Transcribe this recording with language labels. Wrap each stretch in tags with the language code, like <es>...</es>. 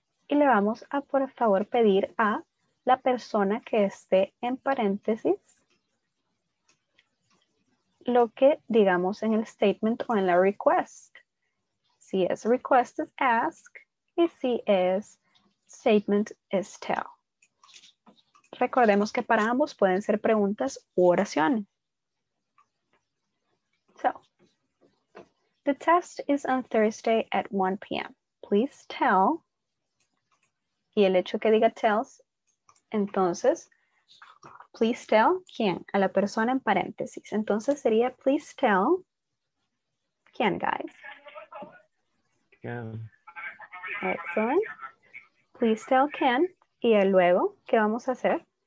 <es>Y le vamos a por favor pedir a la persona que esté en paréntesis lo que digamos en el statement o en la request. Si es request es ask y si es statement es tell. Recordemos que para ambos pueden ser preguntas u oraciones.</es> <en>So, the test is on Thursday at 1 p.m. Please tell.</en> <es>Y el hecho que diga tells, entonces,</es> <en>please tell,</en> <es>¿quién? A la persona en paréntesis. Entonces sería,</es> <en>please tell,</en> <es>¿quién, guys? Ken.</es> <en>Excellent. Please tell,</en> <es>¿quién? Y luego, ¿qué vamos a hacer?</es>